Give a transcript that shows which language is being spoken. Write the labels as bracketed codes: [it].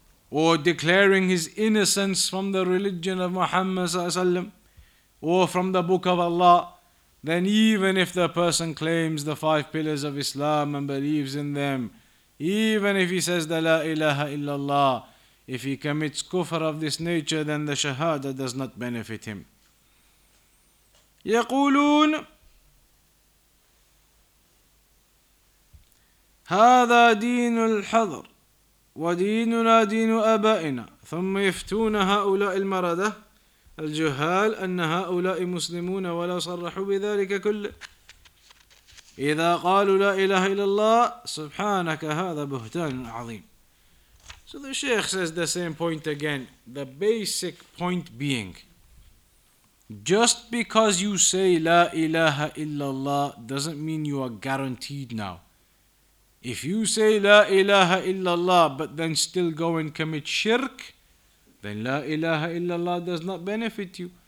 [en] or declaring his innocence from the religion of Muhammad ﷺ, or from the Book of Allah, then even if the person claims the five pillars of Islam and believes in them, even if he says the La ilaha illallah, if he commits kufr of this nature, then the shahada does not benefit him. [ar] يقولون هذا دين الحضر وديننا دين أبائنا. ثم يفتون هؤلاء المردة الجهال أن هؤلاء مسلمون ولا صرحوا بذلك كله. إذا قالوا لا إله إلا الله سبحانك هذا بهتان عظيم. [en] So the Sheikh says the same point again. The basic point being, just because you say La ilaha illallah doesn't mean you are guaranteed now. If you say La ilaha illallah but then still go and commit shirk, then La ilaha illallah does not benefit you.